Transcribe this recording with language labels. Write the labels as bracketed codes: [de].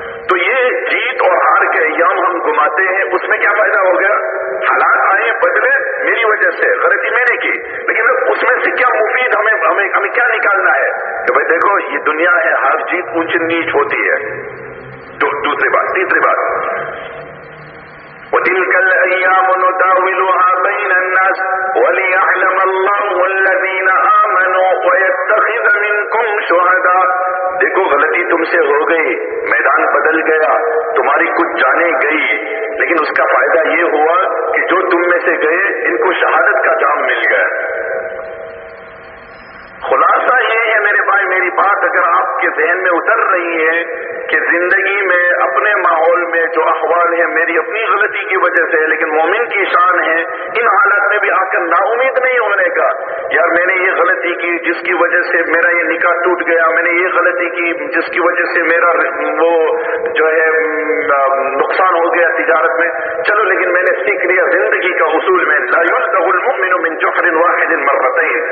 [ur] تو یہ جیت اور ہار کے ایام ہم گماتے ہیں، اس میں کیا فائدہ ہو گیا؟ حالات آئے بدلے میری وجہ سے، غلطی میں نے کی، لیکن اس میں سے کیا مفید ہمیں کیا نکالنا ہے کہ بھائی دیکھو یہ دنیا ہے، ہر جیت اونچ نیچ ہوتی ہے. دوسری بات، تیسری بات، [ar] وتلك الايام نداولها بين الناس وليعلم الله الذين امنوا ويتخذ منكم شهداء. [ur] دیکھو غلطی تم سے ہو گئی، میدان بدل گیا، تمہاری کچھ جانے گئی، لیکن اس کا فائدہ یہ ہوا کہ جو تم میں سے گئے ان کو شہادت کا جام مل گیا. خلاصہ یہ ہے میرے بھائی، میری بات اگر آپ کے ذہن میں اتر رہی ہے کہ زندگی میں اپنے ماحول میں جو احوال ہیں میری اپنی غلطی کی وجہ سے، لیکن مومن کی شان ہے ان حالات میں بھی آ کر نا امید نہیں ہونے کا، یار میں نے یہ غلطی کی جس کی وجہ سے میرا یہ نکاح ٹوٹ گیا، میں نے یہ غلطی کی جس کی وجہ سے میرا وہ جو ہے نقصان ہو گیا تجارت میں، چلو لیکن میں نے سیکھ لیا زندگی کا اصول میں [ar] لا یلقى المؤمن من جحر واحد مرتين.